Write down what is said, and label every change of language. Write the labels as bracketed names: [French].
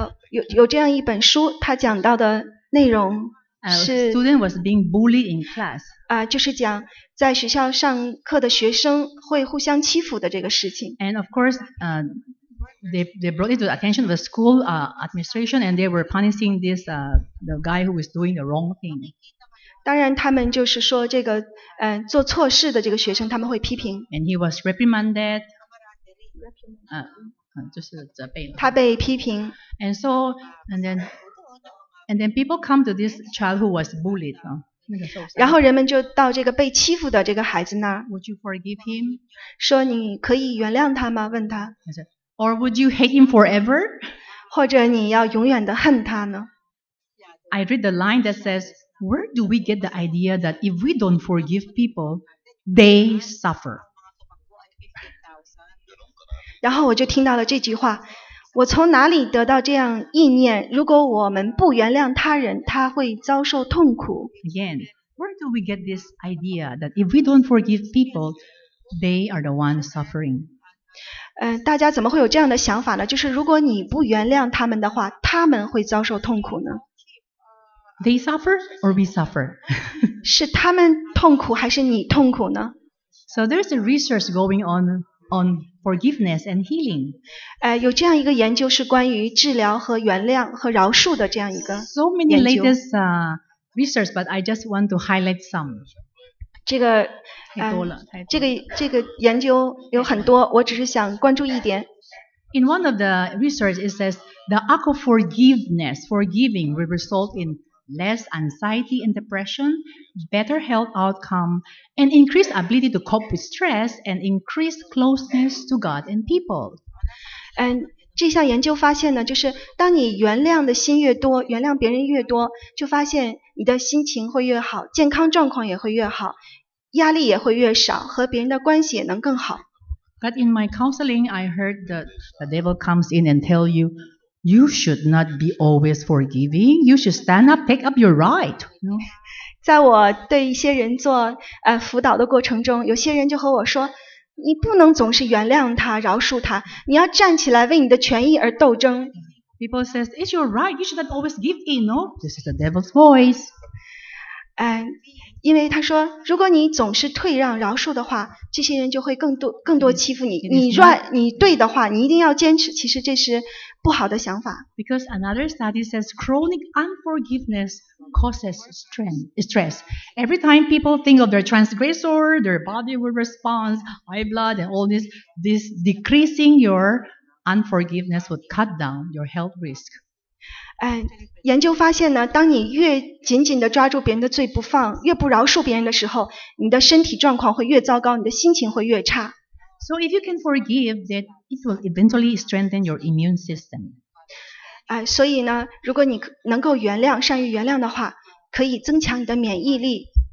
[Chinese] 有这样一本书，它讲到的内容。 [English] Student was being bullied in class. [Chinese] 就是讲在学校上课的学生会互相欺负的这个事情。 [English] And of course, they brought it to the attention of the school administration, and they were punishing this the guy who was doing the wrong thing. [Chinese] 当然，他们就是说这个做错事的这个学生他们会批评。 [English] And he was reprimanded. [Chinese] 就是责备了。他被批评。 [English] And then people come to this child who was bullied. [Chinese] 那个受伤。然后人们就到这个被欺负的这个孩子那儿。 [English] Would you forgive him? [Chinese] 说你可以原谅他吗？问他。 [English] Or would you hate him forever? [Chinese] 或者你要永远的恨他呢？ [English] I read the line that says, "Where do we get the idea that if we don't forgive people, they suffer?" [Chinese] 然后我就听到了这句话。我从哪里得到这样意念？如果我们不原谅他人，他会遭受痛苦。 [English] Again, where do we get this idea that if we don't forgive people, they are the ones suffering? [Chinese] 大家怎么会有这样的想法呢？就是如果你不原谅他们的话，他们会遭受痛苦呢？ [English] They suffer or we suffer? [Chinese] 是他们痛苦还是你痛苦呢？ [English] So there's a research going on forgiveness and healing. [Chinese] 有这样一个研究是关于治疗和原谅和饶恕的这样一个研究。 [English] So many latest research, but I just want to highlight some. [Chinese] 这个太多了，这个研究有很多，我只是想关注一点。 [English] In one of the research, it says the act of forgiving will result in less anxiety and depression, better health outcome, and increased ability to cope with stress and increased closeness to God and people. And [Chinese] 这项研究发现呢，就是当你原谅的心越多，原谅别人越多，就发现你的心情会越好，健康状况也会越好，压力也会越少，和别人的关系也能更好。 [English] But in my counseling, I heard that the devil comes in and tell you,You should not be always forgiving. You should stand up, take up your right. [Chinese] 在我对一些人做辅导的过程中，有些人就和我说，你不能总是原谅他、饶恕他，你要站起来为你的权益而斗争。 [English] People says it's your right. You should not always give in. No, this is the devil's voice. [Chinese] 因为他说，如果你总是退让、饶恕的话，这些人就会更多欺负你。你对的话，你一定要坚持。其实这是不好的想法。 [English] Because another study says chronic unforgiveness causes stress. Every time people think of their transgressor, their body will respond, high blood and all this decreasing your unforgiveness would cut down your health risk. [Chinese] 研究发现呢，当你越紧紧地抓住别人的罪不放，越不饶恕别人的时候，你的身体状况会越糟糕，你的心情会越差。 [English] So if you can forgive, then it will eventually strengthen your immune system. [Chinese] 所以呢，如果你能够原谅，善于原谅的话，可以增强你的免疫力。